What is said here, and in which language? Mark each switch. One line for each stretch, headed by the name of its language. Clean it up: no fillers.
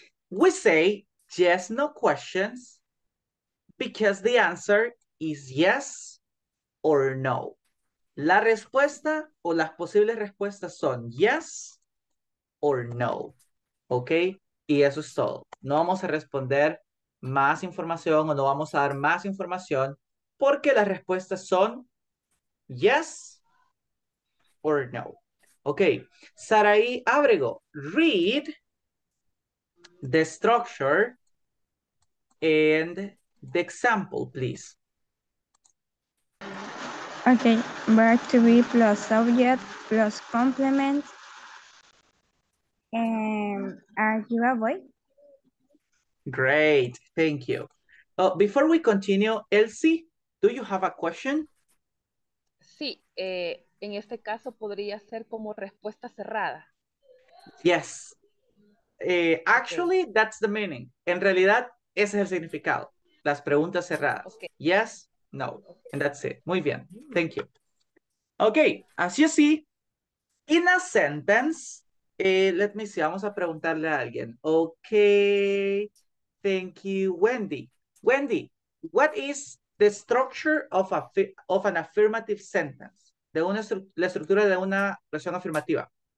English: We say yes, no questions because the answer is yes or no.
Spanish: La respuesta o las posibles respuestas son
English: yes or no,
Spanish: okay? Y eso es todo. No vamos a responder más información o no vamos a dar más información porque las respuestas son
English: yes or no. Okay, Saraí Abrego, read the structure and the example, please. Okay, verb to be plus subject plus complement. Are you a boy? Great, thank you. Before we continue, Elsie, do you have a question?
Spanish: Sí, en este caso podría ser como respuesta cerrada.
English: Yes. Actually, okay. That's the meaning.
Spanish: En realidad, ese es el significado. Las preguntas cerradas. Okay.
English: Yes, no, okay. And that's it.
Spanish: Muy bien,
English: thank you. Okay, as you see, in a sentence, let me see,
Spanish: vamos a preguntarle a alguien.
English: Okay, thank you, Wendy. Wendy, what is the structure of an affirmative sentence?
Spanish: de una la estructura de una oración afirmativa.